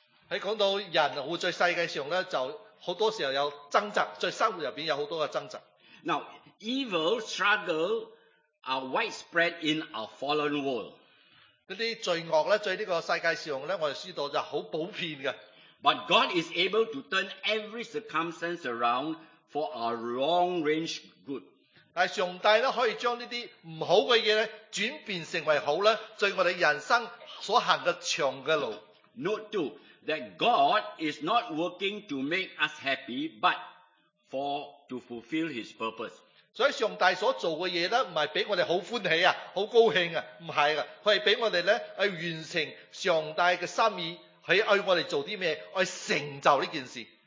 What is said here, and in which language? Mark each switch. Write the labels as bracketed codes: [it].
[yue] 喺講到人活在世界上咧就。好多時候有掙扎，在生活入面有好多嘅掙扎。 [en] Now, evil struggle are widespread in our fallen world。 [yue] 嗰啲罪惡咧，在呢個世界上咧，我哋知道就好普遍嘅。 [en] But God is able to turn every circumstance around for our long-range good。 [yue] 但係上帝咧，可以將呢啲唔好嘅嘢咧，轉變成為好咧，在我哋人生所行嘅長嘅路。 [en] Note two。 That God is not working to make us happy, but for to fulfill His purpose. [yue] 所以上帝所做嘅嘢咧，唔系俾我哋好欢喜啊，好高兴啊，唔系噶，佢系俾我哋咧，去完成上帝嘅心意，去爱我哋做啲咩，去成就呢件事。